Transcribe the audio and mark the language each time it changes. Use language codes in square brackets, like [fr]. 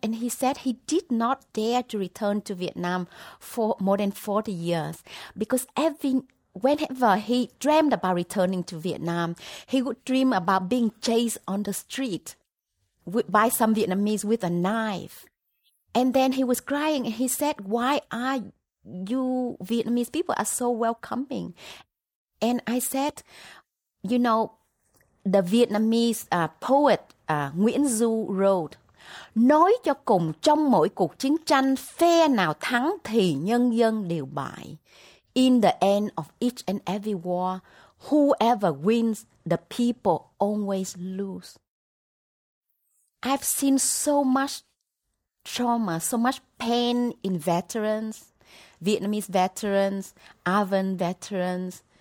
[en] And he said he did not dare to return to Vietnam for more than 40 years because whenever he dreamed about returning to Vietnam, he would dream about being chased on the street by some Vietnamese with a knife. And then he was crying and he said, why are you Vietnamese people are so welcoming? And I said, the Vietnamese poet Nguyễn Du wrote, [vi] nói cho cùng trong mỗi cuộc chiến tranh phe nào thắng thì nhân dân đều bại. [en] In the end of each and every war, whoever wins, the people always lose. I've seen so much trauma, so much pain in veterans, Vietnamese veterans, Afghan veterans,